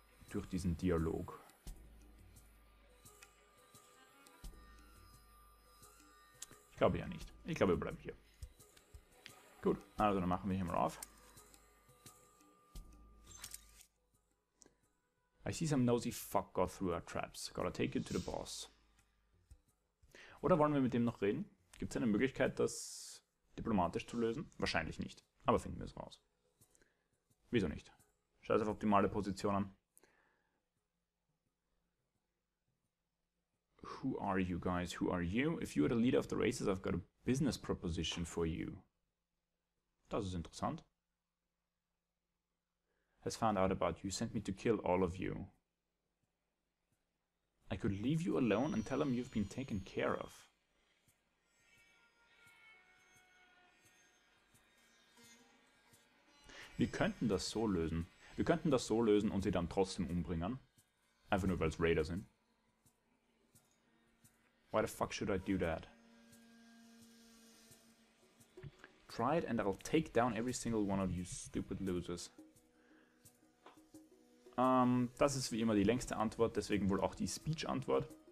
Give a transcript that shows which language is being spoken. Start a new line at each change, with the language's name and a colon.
German: Durch diesen Dialog. Ich glaube ja nicht. Ich glaube, wir bleiben hier. Gut, also dann machen wir hier mal auf.
English: I see some nosy fuck go through our traps. Gotta take it to the boss.
German: Oder wollen wir mit dem noch reden? Gibt es eine Möglichkeit, das diplomatisch zu lösen? Wahrscheinlich nicht. Aber finden wir es raus. Wieso nicht? Scheiß auf optimale Positionen.
English: Who are you guys? Who are you? If you are the leader of the races, I've got a business proposition for you.
German: Das ist interessant.
English: Has found out about you, sent me to kill all of you. I could leave you alone and tell him you've been taken care of.
German: Wir könnten das so lösen. Wir könnten das so lösen und sie dann trotzdem umbringen. Einfach nur, weil es Raider sind.
English: Why the fuck should I do that? Try it and I'll take down every single one of you stupid losers.
German: Das ist wie immer die längste Antwort, deswegen wohl auch die Speech-Antwort.